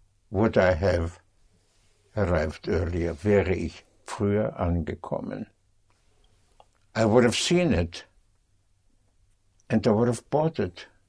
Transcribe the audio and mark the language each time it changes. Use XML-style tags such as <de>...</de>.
<en>Would I have arrived earlier?</en> <de>Wäre ich früher angekommen?</de> <en>I would have seen it and I would have bought it.</en>